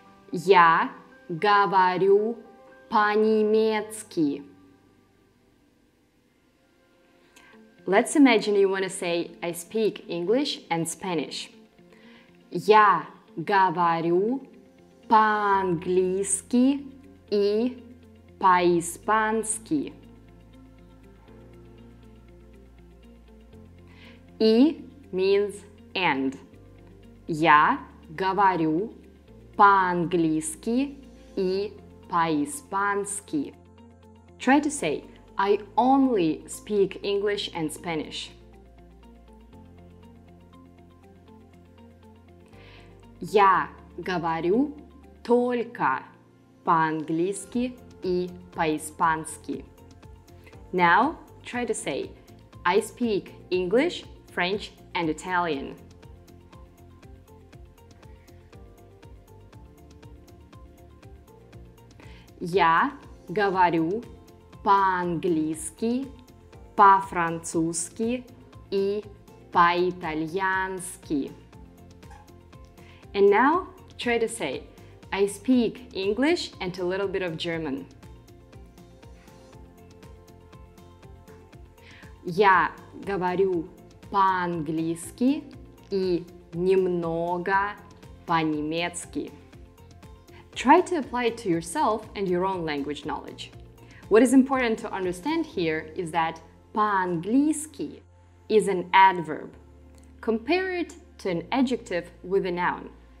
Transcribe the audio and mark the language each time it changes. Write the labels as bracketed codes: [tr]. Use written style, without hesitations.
[ru] Я говорю по-немецки. [en] Let's imagine you want to say I speak English and Spanish. [ru] Я говорю по-английски и по-испански. [en] И means and. [ru] Я говорю по-английски и по-испански. [en] Try to say, I only speak English and Spanish. [ru] Я говорю только по-английски и по-испански. [en] Now, try to say, I speak English, French and Italian. [ru] Я говорю по-английски, по-французски и по-итальянски. [en] And now, try to say, I speak English and a little bit of German. [ru] Я говорю по-английски и немного по-немецки. [en] Try to apply it to yourself and your own language knowledge. What is important to understand here is that по-английски is an adverb. Compare it to an adjective with a noun.